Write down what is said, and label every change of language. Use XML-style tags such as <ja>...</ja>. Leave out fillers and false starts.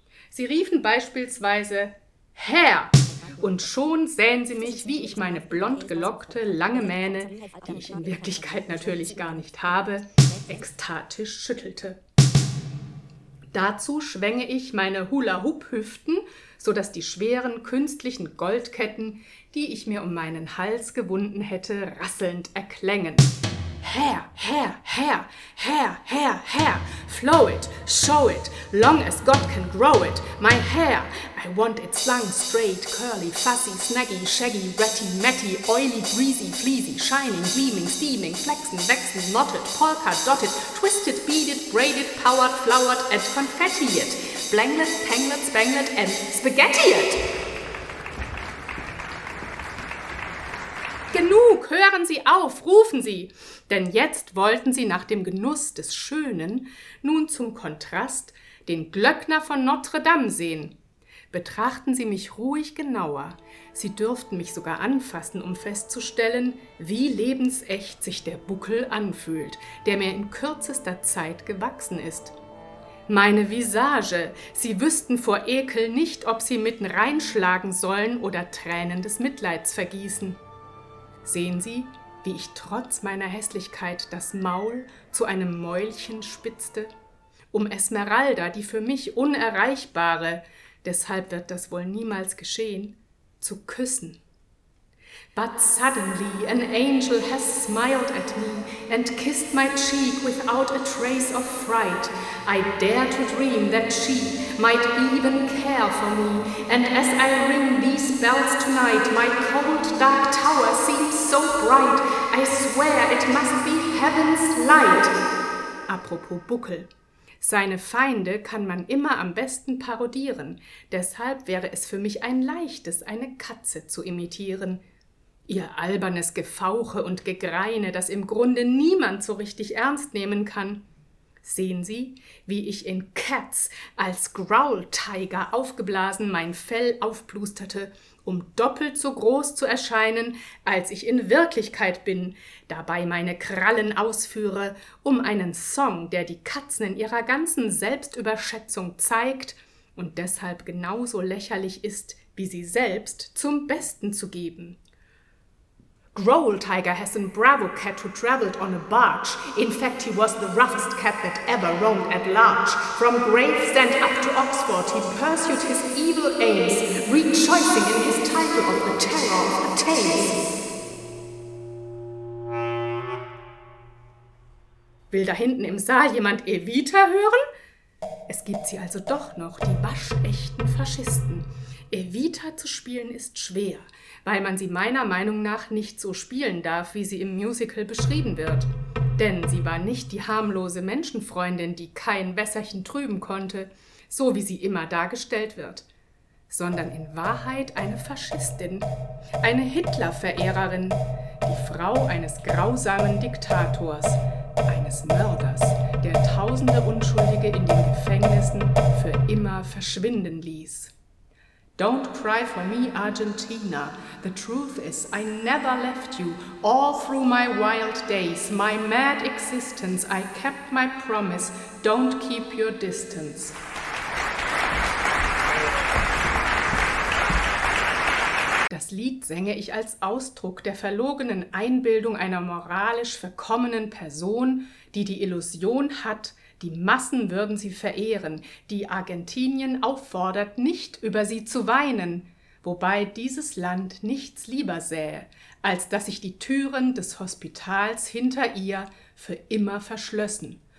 <de>Sie riefen beispielsweise: Herr! Und schon sähen Sie mich, wie ich meine blond gelockte, lange Mähne, die ich in Wirklichkeit natürlich gar nicht habe, ekstatisch schüttelte. Dazu schwänge ich meine Hula-Hoop-Hüften, sodass die schweren, künstlichen Goldketten, die ich mir um meinen Hals gewunden hätte, rasselnd erklängen.</de> <en>Hair, hair, hair, hair, hair, hair, flow it, show it, long as God can grow it, my hair, I want it slung straight, curly, fussy, snaggy, shaggy, ratty, matty, oily, greasy, fleasy, shining, gleaming, steaming, flexing, vexing, knotted, polka, dotted, twisted, beaded, braided, powered, flowered, and confetti-ed, blanglet, tanglet, spanglet, and spaghetti-ed.</en> <de>Genug, hören Sie auf, rufen Sie! Denn jetzt wollten Sie nach dem Genuss des Schönen nun zum Kontrast den Glöckner von Notre Dame sehen. Betrachten Sie mich ruhig genauer. Sie dürften mich sogar anfassen, um festzustellen, wie lebensecht sich der Buckel anfühlt, der mir in kürzester Zeit gewachsen ist. Meine Visage, Sie wüssten vor Ekel nicht, ob Sie mitten reinschlagen sollen oder Tränen des Mitleids vergießen. Sehen Sie, wie ich trotz meiner Hässlichkeit das Maul zu einem Mäulchen spitzte? Um Esmeralda, die für mich unerreichbare, deshalb wird das wohl niemals geschehen, zu küssen.</de> <en>But suddenly an angel has smiled at me and kissed my cheek without a trace of fright. I dare to dream that she might even care for me, and as I ring these bells tonight, my cold dark tower seems so bright. I swear it must be heaven's light.</en> <de>Apropos Buckel. Seine Feinde kann man immer am besten parodieren. Deshalb wäre es für mich ein leichtes, eine Katze zu imitieren. Ihr albernes Gefauche und Gegreine, das im Grunde niemand so richtig ernst nehmen kann. Sehen Sie, wie ich in Cats als Growl-Tiger aufgeblasen mein Fell aufplusterte, um doppelt so groß zu erscheinen, als ich in Wirklichkeit bin, dabei meine Krallen ausführe, um einen Song, der die Katzen in ihrer ganzen Selbstüberschätzung zeigt und deshalb genauso lächerlich ist, wie sie selbst, zum Besten zu geben.</de> <en>Growl Tiger has a bravo cat who traveled on a barge. In fact, he was the roughest cat that ever roamed at large. From Gravesend up to Oxford, he pursued his evil aims, rejoicing in his title of the Terror of the Tales.</en> <de>Will da hinten im Saal jemand Evita hören? Es gibt sie also doch noch, die waschechten Faschisten. Evita zu spielen ist schwer, weil man sie meiner Meinung nach nicht so spielen darf, wie sie im Musical beschrieben wird. Denn sie war nicht die harmlose Menschenfreundin, die kein Wässerchen trüben konnte, so wie sie immer dargestellt wird, sondern in Wahrheit eine Faschistin, eine Hitler-Verehrerin, die Frau eines grausamen Diktators, eines Mörders, der tausende Unschuldige in den Gefängnissen für immer verschwinden ließ.</de> <en>Don't cry for me, Argentina. The truth is, I never left you. All through my wild days, my mad existence, I kept my promise. Don't keep your distance.</en> <de>Das Lied sänge ich als Ausdruck der verlogenen Einbildung einer moralisch verkommenen Person, die die Illusion hat, die Massen würden sie verehren, die Argentinien auffordert, nicht über sie zu weinen, wobei dieses Land nichts lieber sähe, als dass sich die Türen des Hospitals hinter ihr für immer verschlössen</de>